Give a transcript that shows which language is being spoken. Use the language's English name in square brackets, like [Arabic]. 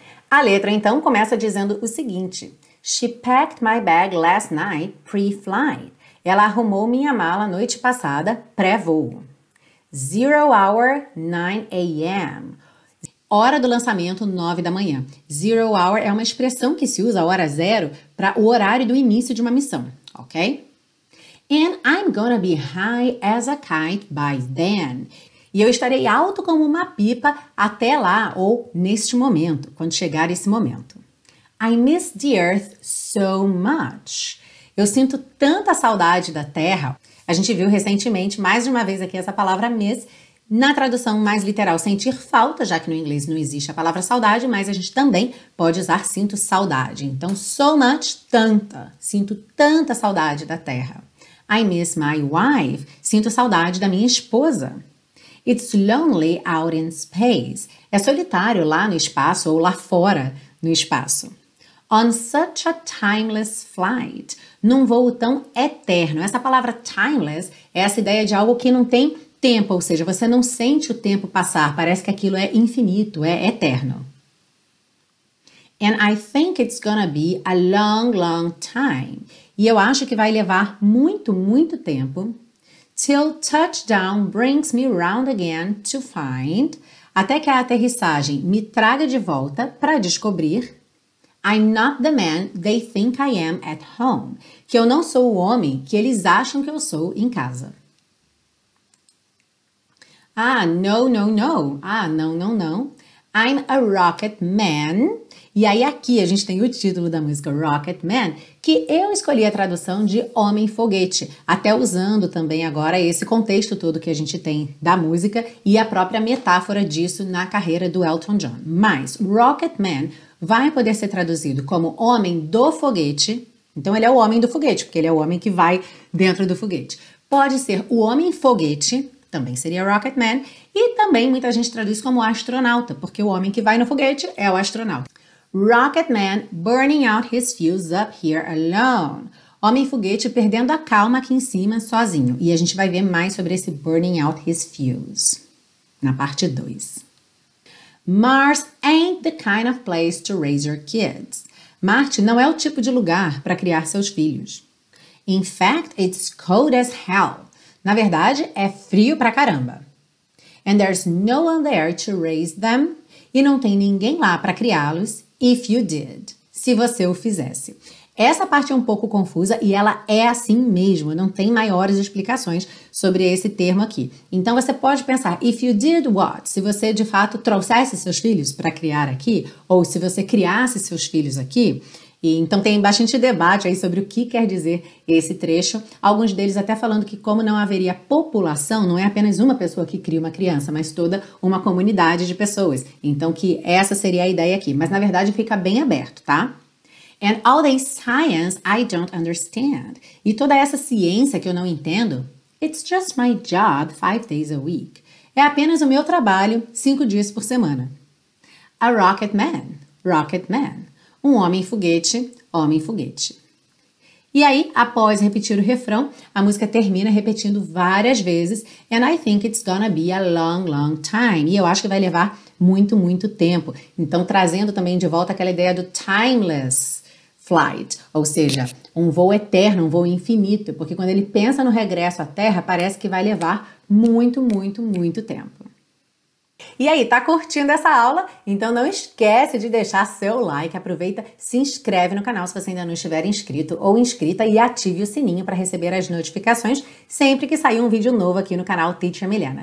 [Portuguese] A letra então começa dizendo o seguinte: [English] She packed my bag last night pre-flight. [Portuguese] Ela arrumou minha mala noite passada pré-voo. 0:09 a.m. Hora do lançamento, 9 da manhã. 0 hour é uma expressão que se usa, hora zero, para o horário do início de uma missão, ok? [English] And I'm gonna be high as a kite by then. [Portuguese] E eu estarei alto como uma pipa até lá, ou neste momento, quando chegar esse momento. [English] I miss the earth so much. [Portuguese] Eu sinto tanta saudade da Terra. A gente viu recentemente, mais de uma vez aqui, essa palavra miss. Na tradução mais literal, sentir falta, já que no inglês não existe a palavra saudade, mas a gente também pode usar sinto saudade. Então, so much, tanta. Sinto tanta saudade da Terra. [English] I miss my wife. [Portuguese] Sinto saudade da minha esposa. [English] It's lonely out in space. [Portuguese] É solitário lá no espaço ou lá fora no espaço. [English] On such a timeless flight. [Portuguese] Num voo tão eterno. Essa palavra timeless é essa ideia de algo que não tem tempo, ou seja, você não sente o tempo passar, parece que aquilo é infinito, é eterno. [English] And I think it's gonna be a long, long time. [Portuguese] E eu acho que vai levar muito, muito tempo. [English] Till touchdown brings me round again to find. [Portuguese] Até que a aterrissagem me traga de volta para descobrir. [English] I'm not the man they think I am at home. [Portuguese] Que eu não sou o homem que eles acham que eu sou em casa. [English] Ah, no, no, no. [Portuguese] Ah, não, não, não. [English] I'm a rocket man. [Portuguese] E aí aqui a gente tem o título da música Rocket Man, que eu escolhi a tradução de Homem Foguete, até usando também agora esse contexto todo que a gente tem da música e a própria metáfora disso na carreira do Elton John. Mas Rocket Man vai poder ser traduzido como Homem do Foguete, então ele é o Homem do Foguete, porque ele é o homem que vai dentro do foguete. Pode ser o Homem Foguete, também seria Rocket Man, e também muita gente traduz como astronauta, porque o homem que vai no foguete é o astronauta. [English] Rocket Man burning out his fuse up here alone. [Portuguese] Homem foguete perdendo a calma aqui em cima sozinho. E a gente vai ver mais sobre esse [English] burning out his fuse [Portuguese] na parte 2. [English] Mars ain't the kind of place to raise your kids. [Portuguese] Marte não é o tipo de lugar para criar seus filhos. [English] In fact, it's cold as hell. [Portuguese] Na verdade, é frio pra caramba. [English] And there's no one there to raise them. [Portuguese] E não tem ninguém lá para criá-los. [English] If you did, [Portuguese] se você o fizesse. Essa parte é um pouco confusa e ela é assim mesmo, não tem maiores explicações sobre esse termo aqui. Então você pode pensar, [English] if you did what? [Portuguese] Se você de fato trouxesse seus filhos para criar aqui, ou se você criasse seus filhos aqui, e, então tem bastante debate aí sobre o que quer dizer esse trecho, alguns deles até falando que como não haveria população, não é apenas uma pessoa que cria uma criança, mas toda uma comunidade de pessoas. Então que essa seria a ideia aqui, mas na verdade fica bem aberto, tá? [English] And all this science I don't understand. [Portuguese] E toda essa ciência que eu não entendo, [English] it's just my job 5 days a week. [Portuguese] É apenas o meu trabalho 5 dias por semana. [English] A rocket man, rocket man. [Portuguese] Um homem foguete, homem foguete. E aí, após repetir o refrão, a música termina repetindo várias vezes. [English] And I think it's gonna be a long, long time. [Portuguese] E eu acho que vai levar muito, muito tempo. Então, trazendo também de volta aquela ideia do timeless flight. Ou seja, um voo eterno, um voo infinito. Porque quando ele pensa no regresso à Terra, parece que vai levar muito, muito, muito tempo. E aí, tá curtindo essa aula? Então não esquece de deixar seu like, aproveita, se inscreve no canal se você ainda não estiver inscrito ou inscrita e ative o sininho para receber as notificações sempre que sair um vídeo novo aqui no canal Teacher Milena.